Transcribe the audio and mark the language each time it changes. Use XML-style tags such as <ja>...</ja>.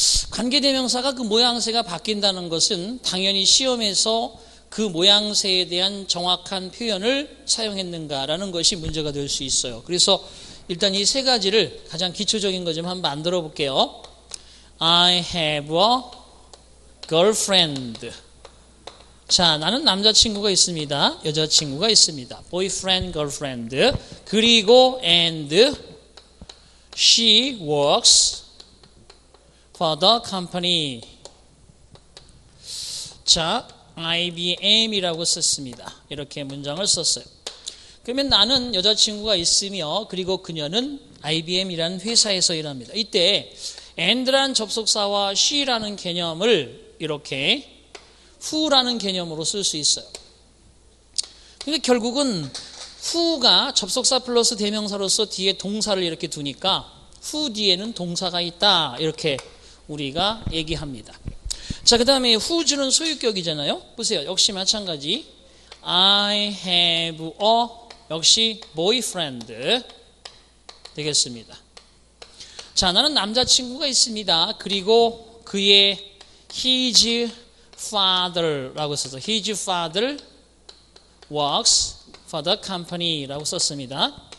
<ko>관계대명사가 그 모양새가 바뀐다는 것은 당연히 시험에서 그 모양새에 대한 정확한 표현을 사용했는가라는 것이 문제가 될 수 있어요. 그래서 일단 이 세 가지를 가장 기초적인 거 좀 한번 만들어 볼게요.</ko> <en>I have a girlfriend.</en> <ko>자, 나는 남자친구가 있습니다. 여자친구가 있습니다.</ko> <en>Boyfriend, girlfriend.</en> <ko>그리고</ko> <en>and she works for the company.</en> <ko>자, IBM이라고 썼습니다. 이렇게 문장을 썼어요. 그러면 나는 여자친구가 있으며 그리고 그녀는 IBM이라는 회사에서 일합니다. 이때 and라는 접속사와 she라는 개념을 이렇게 who라는 개념으로 쓸 수 있어요. 근데 결국은 who가 접속사 플러스 대명사로서 뒤에 동사를 이렇게 두니까 who 뒤에는 동사가 있다 이렇게 우리가 얘기합니다. 자, 그 다음에 후즈는 소유격이잖아요. 보세요. 역시 마찬가지.</ko> <en>I have a</en> <ko>역시 boyfriend 되겠습니다. 자, 나는 남자친구가 있습니다. 그리고 그의</ko> <en>his father</en> <ko>라고 써서</ko> <en>his father works for the company</en> <ko>라고 썼습니다.</ko>